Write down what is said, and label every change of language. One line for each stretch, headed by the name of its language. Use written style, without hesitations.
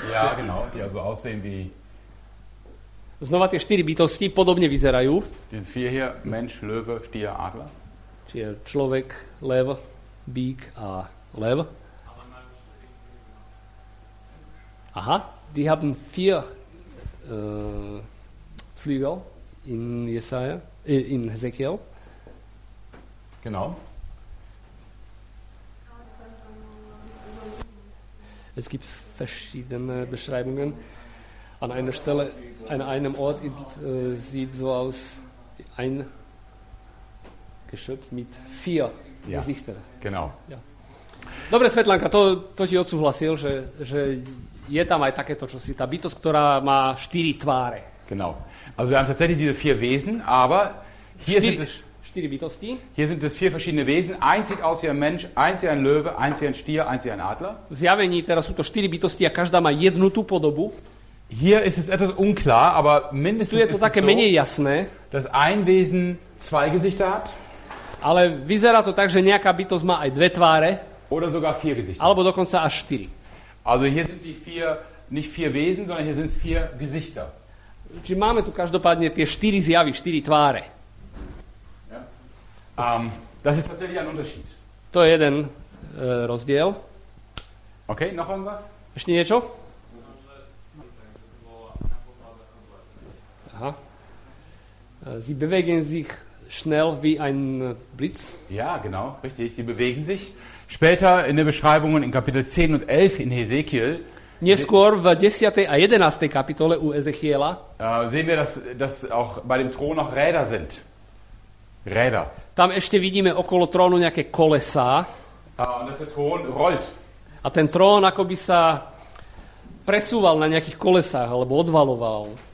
German: Ja, genau, die also aussehen wie.
Slovak: Znova tie štyri bytosti podobne vyzerajú.
German: Die vier hier, Mensch, Löwe, Stier, Adler.
Slovak: Čiže človek, lev, bík a lev.
German: Aha, die haben vier Flügel in Jesaja, in Ezekiel. Genau. Es gibt verschiedene Beschreibungen. An einer Stelle, an einem Ort sieht so aus, ein Geschöpf mit vier Gesichtern. Ja, genau. Ja.
Slovak: Dobre, Svetlanka, to ti odsúhlasil, že je tam aj takéto, čo si tá bytosť, ktorá má štyri tváre.
German: Genau. Also wir haben tatsächlich diese vier Wesen, aber hier sind es
Slovak: štyri bytosti.
German: Hier sind es vier verschiedene Wesen, eins sieht aus wie ein Mensch, eins wie ein Löwe, eins wie ein Stier, eins wie ein Adler.
Slovak: V zjavení teraz sú to štyri bytosti a každá má jednu tú podobu.
German: Hier ist es etwas unklar, aber mindestens
Slovak: je to také menej jasné,
German: dass ein Wesen zwei Gesichter hat.
Slovak: Ale vyzerá to tak, že nejaká bytosť má aj dve tváre.
German: Oder sogar vier Gesichter.
Slovak: Alebo dokonca až štyri.
German: Also hier sind die vier, nicht vier Wesen, sondern hier sind es vier Gesichter.
Slovak: Čiže máme tu každopádne tie štyri zjavy, štyri tváre.
German: Das ist tatsächlich ein Unterschied.
Slovak: To je jeden rozdiel.
German: Ok, noch irgendwas?
Czech: Ještě něco? Aha.
German: Sie bewegen sich schnell wie ein Blitz. Ja, genau, richtig. Sie bewegen sich. Später in den Beschreibungen in Kapitel 10 und 11 in Hezekiel.
Slovak: Neskôr v 10. a 11. kapitole u Ezechiela.
German: Sehen wir, dass auch bei dem Thron noch Räder sind. Räder.
Slovak: Tam ešte vidíme okolo trónu nejaké kolesá.
German: Und dass der Thron rollt.
Slovak: A ten trón akoby sa presúval na nejakých kolesách alebo odvaloval.